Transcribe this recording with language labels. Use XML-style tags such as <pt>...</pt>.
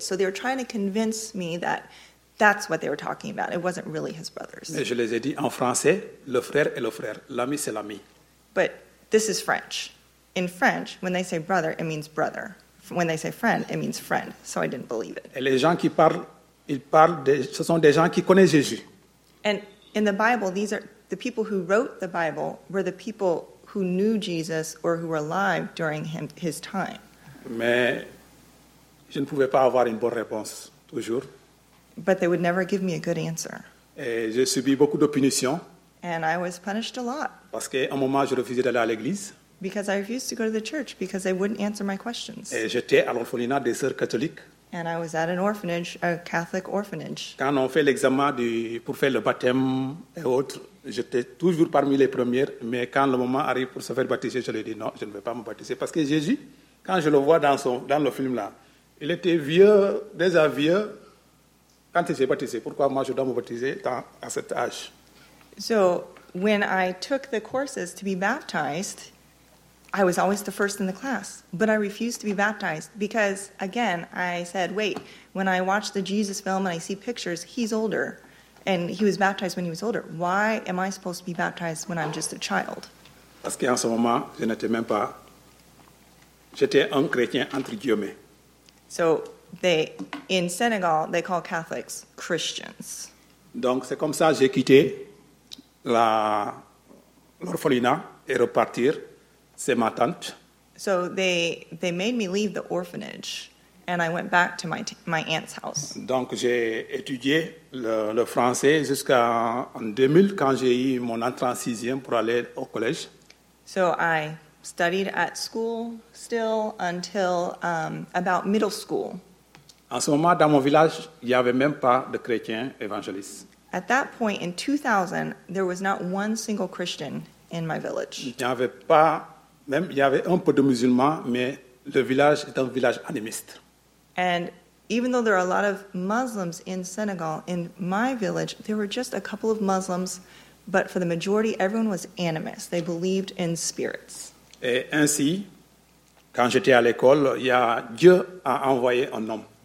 <en>So they were trying to convince me that that's what they were talking about. It wasn't really his brothers.</en> <fr>Mais je les ai dit en français, le frère est le frère, l'ami c'est l'ami.</fr> <en>But this is French. In French, when they say brother, it means brother. When they say friend, it means friend. So I didn't believe it.</en> <fr>Et les gens qui parlent, ils parlent, ce sont des gens qui connaissent Jésus.</fr> <en>And in the Bible, these are the people who wrote the Bible were the people who knew Jesus or who were alive during his time.</en> <fr>Mais je ne pouvais pas avoir une bonne réponse toujours.</fr> <en>But they would never give me a good answer.</en> <fr>Et j'ai subi beaucoup de punitions.</fr> <en>And I was punished a lot.</en> <fr>Parce qu'à un moment, je refusais d'aller à l'église.</fr> <en>Because I refused to go to the church because they wouldn't answer my questions.</en> <fr>Et j'étais à l'orphelinat des sœurs catholiques.</fr> <en>And I was at an orphanage, a Catholic orphanage.</en> <fr>Quand on fait l'examen pour faire le baptême et autres, j'étais toujours parmi les premières. Mais quand le moment arrive pour se faire baptiser, je lui ai dit non, je ne vais pas me baptiser parce que Jésus. Quand je le vois dans le film là, il était vieux, déjà vieux, quand il s'est baptisé. Pourquoi moi je dois me baptiser à cet âge?</fr> <en>So when I took the courses to be baptized, I was always the first in the class, but I refused to be baptized because, again, I said, wait, when I watch the Jesus film and I see pictures, he's older, and he was baptized when he was older. Why am I supposed to be baptized when I'm just a child?</en> <fr>Parce qu'en ce moment, je n'étais même pas... J'étais un chrétien entre guillemets.</fr> <en>So, they, in Senegal, they call Catholics Christians.</en> <fr>Donc, c'est comme ça que j'ai quitté l'orphelinat et repartir. C'est ma tante.</fr> <en>So they made me leave the orphanage, and I went back to my aunt's house.</en> <fr>Donc j'ai étudié le français jusqu'en 2000 quand j'ai eu mon entrée sixième pour aller au collège.</fr> <en>So I studied at school still until about middle school.</en> <fr>En ce moment, dans mon village, il y avait même pas de chrétiens évangélistes.</fr> <en>At that point in 2000, there was not one single Christian in my village.</en> <fr>Il n'y avait pas Même il y avait un peu de musulmans, mais le village est un village animiste.</fr> <en>And even though there are a lot of Muslims in Senegal, in my village, there were just a couple of Muslims, but for the majority, everyone was animist. They believed in spirits.</en> <fr>Et ainsi, quand j'étais à l'école, Dieu a envoyé un homme.</fr>